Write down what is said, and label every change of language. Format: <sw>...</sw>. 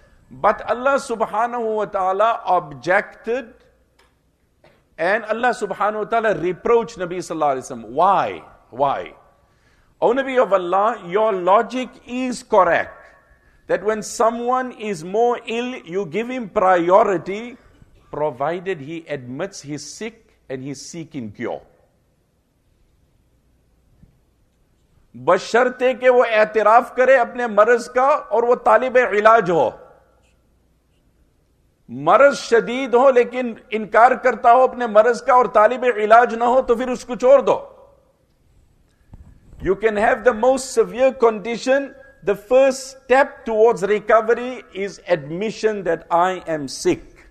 <en>But Allah subhanahu wa ta'ala objected and Allah subhanahu wa ta'ala reproached Nabi sallallahu alaihi wasallam. Why? Why? O Nabi of Allah, your logic is correct that when someone is more ill, you give him priority provided he admits he's sick and he's seeking cure.</en> <ur>بشرتے کہ وہ اعتراف کرے اپنے مرض کا اور وہ طالب علاج ہو. مرض شدید ہو لیکن انکار کرتا ہو اپنے مرض کا اور طالب علاج نہ ہو تو پھر اس کو چھوڑ دو.</ur> <en>You can have the most severe condition. The first step towards recovery is admission that I am sick.</en>